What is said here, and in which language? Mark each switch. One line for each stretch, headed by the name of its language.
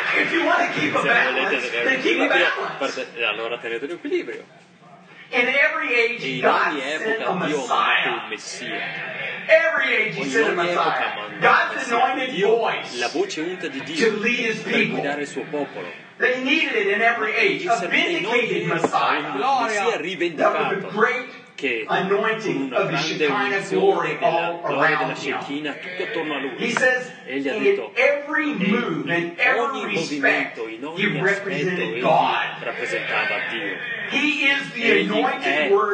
English: If you want to keep a balance, then keep a balance.
Italian: Allora tenete un equilibrio.
English: In every age,
Italian: in ogni epoca Dio ha mandato un Messia.
English: Every age he sent a Messiah. God's anointed voice.
Italian: La voce unta di Dio per guidare il suo popolo.
English: They needed in every age a vindicated Messiah.
Italian: Messia rivendicato. Che con una grande unzione della gloria della Shekinah tutto attorno a lui. Egli ha detto ogni movimento, in ogni aspetto egli rappresentava Dio. Egli è